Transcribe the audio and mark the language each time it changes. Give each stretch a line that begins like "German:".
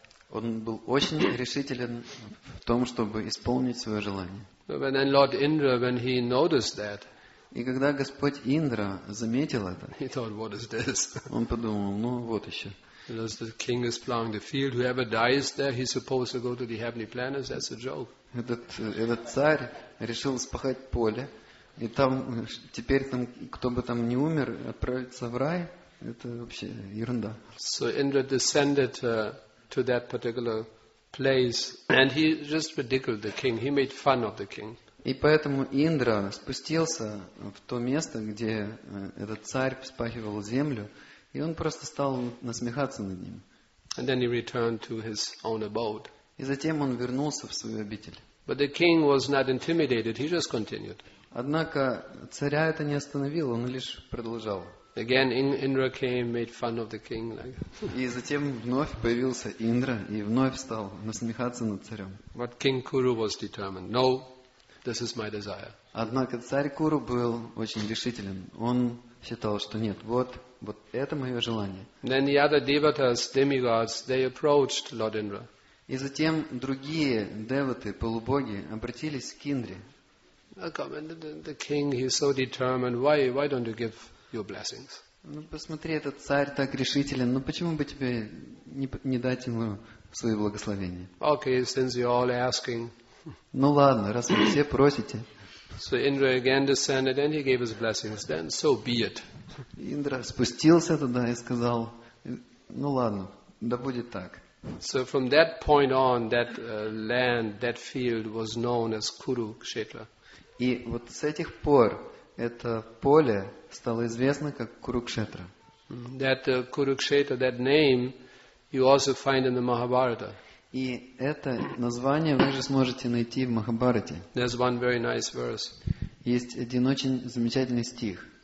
Russian: Он был очень решителен в том, чтобы исполнить свое желание. И когда Господь Индра заметил это, он подумал, ну вот еще.
English: Because the king is plowing the field, whoever dies there, he's supposed to go to the heavenly planets. That's a joke.
Russian: Этот царь решил вспахать поле, и там теперь там кто бы там не умер, отправиться в рай, это вообще ерунда.
English: So Indra descended to that particular place, and he just ridiculed the king. He made fun of the king.
Russian: И поэтому Индра спустился в то место, где этот царь вспахивал землю. И он просто стал насмехаться над ним.
English: And then he returned to his own abode.
Russian: И затем он вернулся в свою обитель.
English: But the king was not intimidated, he just continued.
Russian: Однако царя это не остановило, он лишь продолжал.
English: Again, Indra came, made fun of the king.
Russian: И затем вновь появился Индра и вновь стал насмехаться над царем.
English: But King Kuru was determined. No, this is my desire.
Russian: Однако царь Куру был очень решителен. Он считал, что нет, вот это мое желание.
English: Then the other devatas, demigods, they approached Lord Indra.
Russian: И затем другие деваты, полубоги, обратились к Индре.
English: Come and the king, he's so determined. Why don't you give your blessings?
Russian: Ну посмотри, этот царь так решителен. Ну почему бы тебе не дать ему свои благословения?
English: Okay, since you're all asking.
Russian: Ну ладно, раз вы все просите.
English: So Indra again descended and he gave his blessings. Then so be it.
Russian: Индра спустился туда и сказал: "Ну ладно, да будет так".
English: So from that point on, that land, that field was known as Kurukshetra.
Russian: И вот с этих пор это поле стало известно как Курукшетра.
English: That Kurukshetra, that name, you also find in the Mahabharata.
Russian: И это название вы же сможете найти в Махабхарате.
English: There's one very nice verse.
Russian: Есть один очень замечательный стих.